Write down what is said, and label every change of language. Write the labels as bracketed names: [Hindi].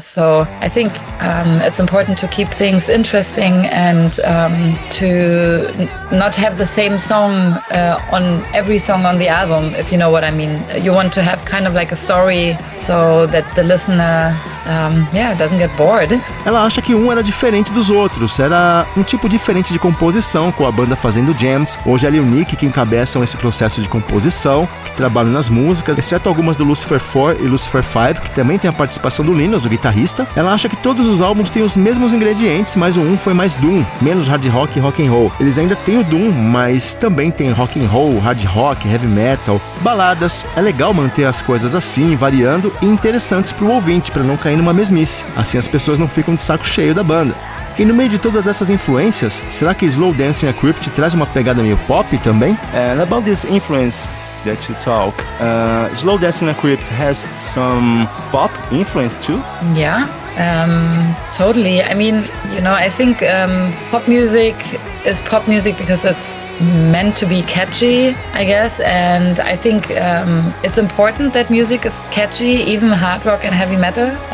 [English] So I think it's important to keep things interesting and to not have the same song on every song on the album, if you know what I mean. You want to have kind of like a story so that the listener doesn't get bored. [Portuguese] Ela acha que um era diferente dos outros, era um tipo diferente de composição, com a banda fazendo jams. Hoje é o Nick que encabeçam esse processo de composição, que trabalham nas músicas, exceto algumas do Lucifer 4 e Lucifer 5, que também tem a participação do Linus, o guitarrista. Ela acha que todos os álbuns têm os mesmos ingredientes, mas o 1 foi mais doom, menos hard rock e rock and roll. Eles ainda têm o doom, mas também tem rock and roll, hard rock, heavy metal, baladas. É legal manter as coisas assim, variando e interessantes pro ouvinte, para não cair numa mesmice. Assim as pessoas não ficam de saco cheio da banda. E no meio de todas essas influências, será que Slow Dancing A Crypt traz uma pegada meio pop também? [English] And about this influence, that you talk. Slow Dancing in the Crypt has some pop influence too. Yeah, totally. I mean, you know, I think pop music is pop music because it's meant to be catchy, I guess. And I think it's important that music is catchy, even hard rock and heavy metal.